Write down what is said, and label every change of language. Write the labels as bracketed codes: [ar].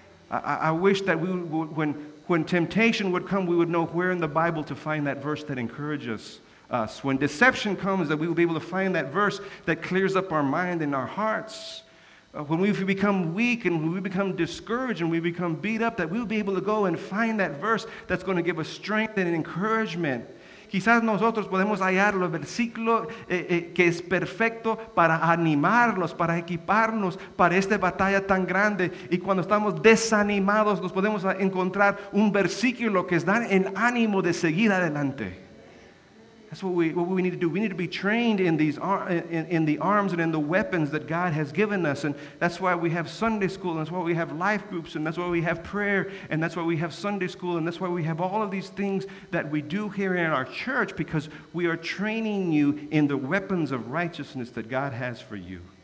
[en] I wish that we would, when temptation would come, we would know where in the Bible to find that verse that encourages us. When deception comes, that we would be able to find that verse that clears up our mind and our hearts. When we become weak and we become discouraged and we become beat up, that we'll be able to go and find that verse that's going to give us strength and encouragement. [es] Quizás nosotros podemos hallar el versículo que es perfecto para animarlos, para equiparnos para esta batalla tan grande. Y cuando estamos desanimados, nos podemos encontrar un versículo que es dar el ánimo de seguir adelante. [en] That's what we need to do. We need to be trained in the arms and in the weapons that God has given us. And that's why we have Sunday school. And that's why we have life groups. And that's why we have prayer. And that's why we have Sunday school. And that's why we have all of these things that we do here in our church, because we are training you in the weapons of righteousness that God has for you.